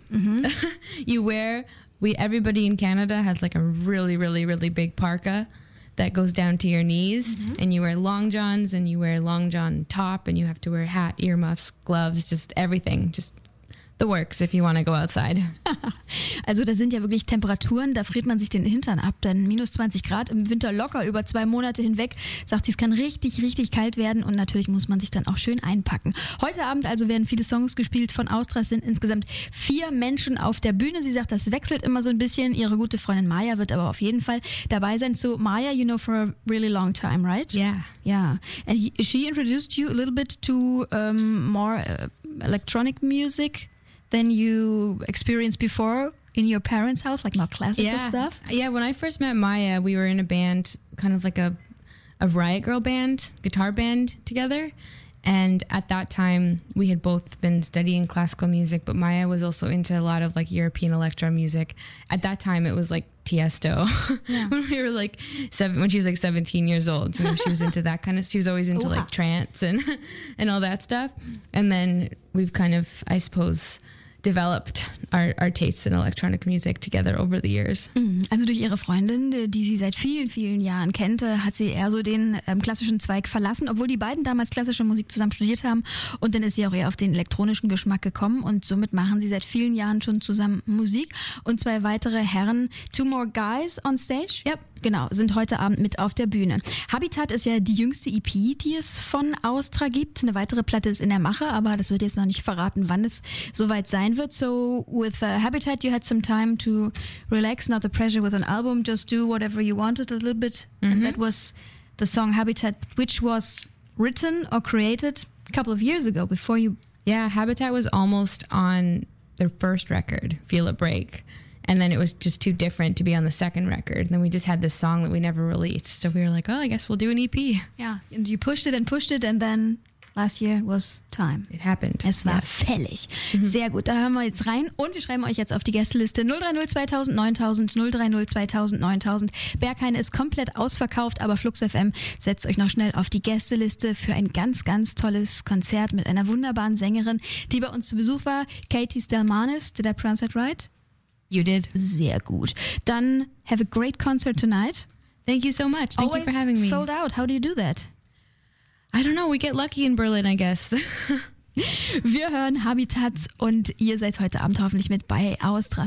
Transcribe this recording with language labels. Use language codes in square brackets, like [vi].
[en] Mm-hmm. Everybody in Canada has like a really, really, really big parka that goes down to your knees. Mm-hmm. And you wear long johns and you wear long john top and you have to wear hat, earmuffs, gloves, just everything. Just the works if you want to go outside. [de] Also das sind ja wirklich Temperaturen, da friert man sich den Hintern ab. Denn minus 20 Grad im Winter locker über 2 Monate hinweg, sagt sie, es kann richtig, richtig kalt werden und natürlich muss man sich dann auch schön einpacken. Heute Abend also werden viele Songs gespielt von Austra, sind insgesamt 4 Menschen auf der Bühne. Sie sagt, das wechselt immer so ein bisschen. Ihre gute Freundin Maya wird aber auf jeden Fall dabei sein. [en] So Maya, you know for a really long time, right? Yeah. Yeah. And she introduced you a little bit to more electronic music than you experienced before in your parents' house, like not classical stuff? Yeah, when I first met Maya, we were in a band, kind of like a Riot Girl band, guitar band together. And at that time, we had both been studying classical music, but Maya was also into a lot of like European electro music. At that time, it was like Tiesto. Yeah. When we were like seven, when she was like 17 years old, you know, she was into that kind of, she was always into like trance and all that stuff. And then we've kind of, I suppose, developed our tastes in electronic music together over the years. [de] Also durch ihre Freundin, die sie seit vielen, vielen Jahren kannte, hat sie eher so den klassischen Zweig verlassen, obwohl die beiden damals klassische Musik zusammen studiert haben und dann ist sie auch eher auf den elektronischen Geschmack gekommen und somit machen sie seit vielen Jahren schon zusammen Musik. Und 2 weitere Herren, [en] 2 more guys on stage? Yep. [de] Genau, sind heute Abend mit auf der Bühne. Habitat ist ja die jüngste EP, die es von Austra gibt. Eine weitere Platte ist in der Mache, aber das wird jetzt noch nicht verraten, wann es soweit sein wird. [en] So with Habitat, you had some time to relax, not the pressure with an album, just do whatever you wanted a little bit. Mm-hmm. And that was the song Habitat, which was written or created a couple of years ago before you... Yeah, Habitat was almost on their first record, Feel It Break. And then it was just too different to be on the second record. And then we just had this song that we never released. So we were like, oh, I guess we'll do an EP. Yeah. And you pushed it. And then last year was time. It happened. [de] Es war fällig. Mm-hmm. Sehr gut. Da hören wir jetzt rein. Und wir schreiben euch jetzt auf die Gästeliste 030 2000 9000 030 2000 9000. Berghain ist komplett ausverkauft. Aber Flux FM setzt euch noch schnell auf die Gästeliste für ein ganz, ganz tolles Konzert mit einer wunderbaren Sängerin, die bei uns zu Besuch war. [en] Katie Stelmanis. Did I pronounce that right? You did. [de] Sehr gut. Dann [en] have a great concert tonight. Thank you so much. Thank Always you for having me. Always sold out. How do you do that? I don't know. We get lucky in Berlin, I guess. [de] Wir hören Habitat und ihr seid heute Abend hoffentlich mit bei Austra.